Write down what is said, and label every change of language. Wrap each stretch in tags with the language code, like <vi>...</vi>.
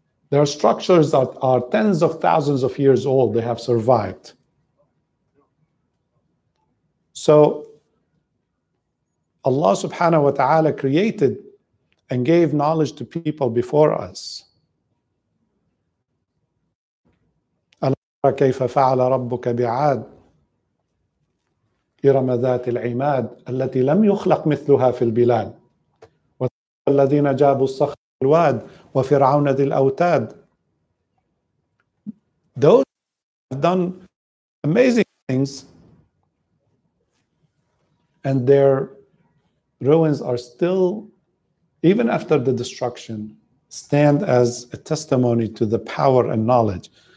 <en>There are structures that are tens of thousands of years old. They have survived. So Allah subhanahu wa ta'ala created and gave knowledge to people before us.</en> <ar>كيف فعل ربك بعاد إرم ذات العماد التي لم يخلق مثلها في البلاد والذين جابوا الصخر الواد وفرعون ذي الأوتاد.</ar> <en>Those have done amazing things and their ruins are still, even after the destruction, stand as a testimony to the power and knowledge.</en>